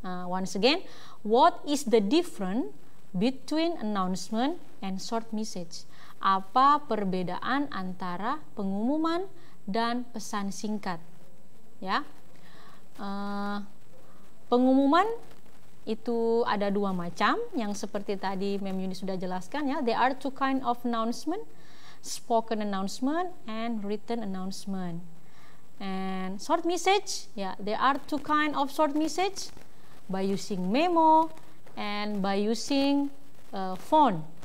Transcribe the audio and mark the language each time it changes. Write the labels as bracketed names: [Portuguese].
[English] Once again, what is the difference between announcement and short message? [Indonesian] Apa perbedaan antara pengumuman dan pesan singkat? Ya, pengumuman itu ada dua macam, yang seperti tadi Mem Yuni sudah jelaskan ya. [English] There are two kind of announcement, spoken announcement and written announcement. And short message, ya, there are two kind of short message, by using memo and by using phone.